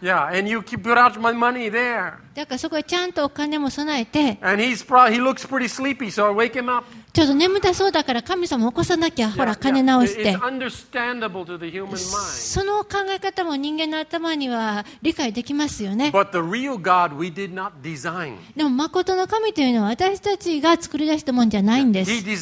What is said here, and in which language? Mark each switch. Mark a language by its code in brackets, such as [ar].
[en] Yeah, and you put out my money there. [ja] だからそこへちゃんとお金も備えて。 [en] And he looks pretty sleepy, so I wake him up. [ja] ちょっと眠たそうだから神様起こさなきゃ、ほら金直して。その考え方も人間の頭には理解できますよね。でも誠の神というのは私たちが作り出したもんじゃないんです。